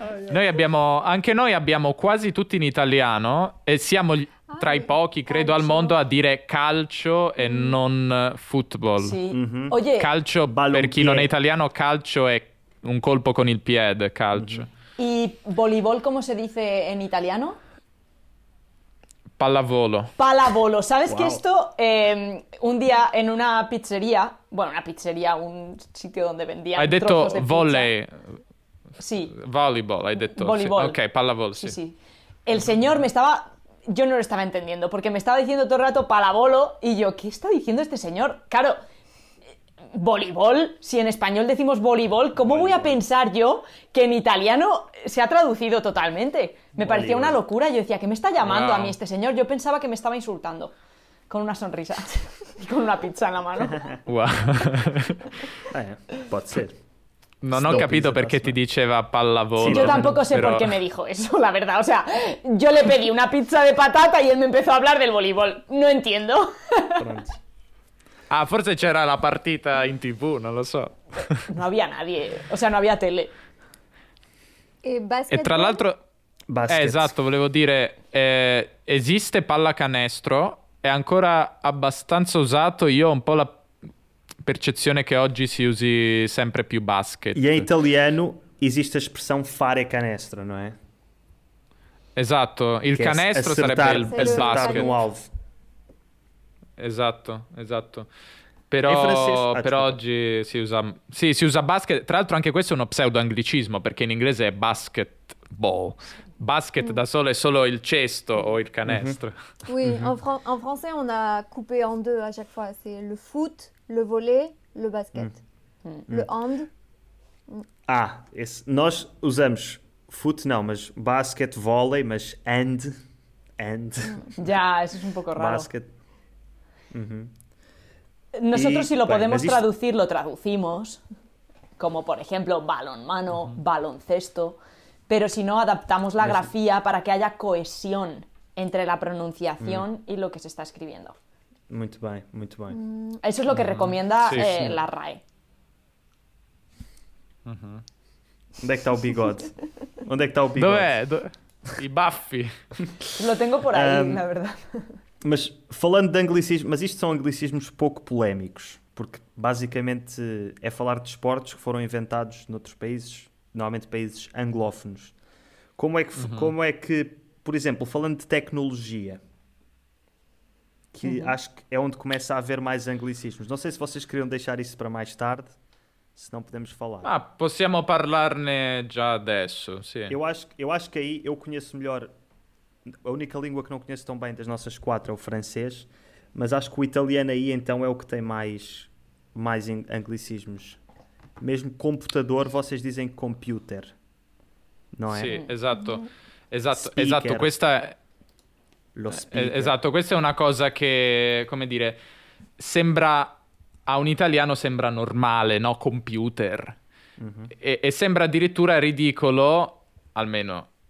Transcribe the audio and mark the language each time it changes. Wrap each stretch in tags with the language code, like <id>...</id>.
<it>Noi abbiamo, anche noi abbiamo quasi tutti in italiano e siamo tra i pochi, credo, calcio. Al mondo a dire calcio e non football. Sì. Mm-hmm. Oye, calcio, per chi non è italiano, calcio è un colpo con il piede, calcio. E voleibol come si dice in italiano? Pallavolo.</it> <es>Pallavolo. ¿Sabes que esto? Un día en una pizzería, bueno, una pizzería, un sitio donde vendían trozos de pizza.</es> <it>Hai detto volley.</it> <es>Sí.</es> <it>Volleyball, hai detto.</it> <en>Volleyball.</en> <es>Sí. Ok, pallavolo, sí. Sí, sí. El señor me estaba... Yo no lo estaba entendiendo porque me estaba diciendo todo el rato pallavolo y yo, ¿qué está diciendo este señor? Claro, voleibol, si en español decimos voleibol, ¿cómo voy a pensar yo que en italiano se ha traducido totalmente? Me parecía una locura, yo decía, ¿qué me está llamando a mí este señor? Yo pensaba que me estaba insultando, con una sonrisa y con una pizza en la mano. Puede ser. No, no he capito por qué te diceva pallavolo. Sí, yo tampoco sé por qué me dijo eso, la verdad. O sea, yo le pedí una pizza de patata y él me empezó a hablar del voleibol. No entiendo.</es> <it>Ah, forse c'era la partita in TV, non lo so.</it> <es>No había nadie, o sea, no había tele.</es> <it>E basket. E tra l'altro, esatto, volevo dire, esiste pallacanestro, è ancora abbastanza usato. Io ho un po' la percezione che oggi si usi sempre più basket. E in italiano esiste l'espressione fare canestro, non è? Esatto, il che canestro sarebbe il basket. Esatto, esatto. Però, però oggi si usa, sì, si usa basket. Tra l'altro anche questo è uno pseudo-anglicismo, perché in inglese è basketball. Basket da solo è solo il cesto o il canestro. Mm-hmm.</it> <fr>Oui, en français on a coupé en deux à chaque fois. C'est le foot, le volley, le basket. Le hand.</fr> <pt>Ah, nós usamos foot, não, mas basket, volley, mas hand.</pt> <en>Hand.</en> <pt>Já, isso é um pouco raro.</pt> <en>Basket.</en> <es>Nosotros, y, si lo podemos bueno, traducir, lo traducimos, como por ejemplo balonmano, baloncesto, pero si no, adaptamos la grafía para que haya cohesión entre la pronunciación y lo que se está escribiendo. Muy bien, muy bien. Eso es lo que recomienda la RAE. ¿Dónde está el bigote? ¿Dónde está el bigote? Y baffi. Lo tengo por ahí, la verdad.</es> <pt>Mas falando de anglicismo, mas isto são anglicismos pouco polémicos, porque basicamente é falar de esportes que foram inventados noutros países, normalmente países anglófonos. Como é que, como é que, por exemplo, falando de tecnologia, que acho que é onde começa a haver mais anglicismos. Não sei se vocês queriam deixar isso para mais tarde, se não podemos falar.</pt> <it>Ah, possiamo parlarne già adesso, sim.</it> <pt>Eu acho que aí eu conheço melhor... A única língua que não conheço tão bem das nossas quatro é o francês, mas acho que o italiano aí então é o que tem mais anglicismos. Mesmo computador, vocês dizem computer, não é? Sim, exato.</pt> <it>Esatto, speaker, esatto, questa lo speaker. Esatto, questa è una cosa che, come dire, sembra a un italiano sembra normale, no? Computer. E sembra addirittura ridicolo, almeno...</it>